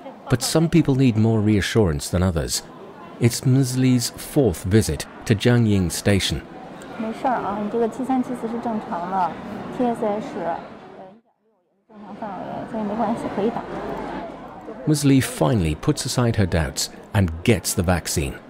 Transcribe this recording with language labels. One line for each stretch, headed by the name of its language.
English: But some people need more reassurance than others. It's Ms. Li's fourth visit to Zhang Ying Station.
Chinese: 没事儿啊，你这个七三七四是正常的 ，TSS 正常范围，所以没关系，可以打。
English: Ms. Li finally puts aside her doubts and gets the vaccine.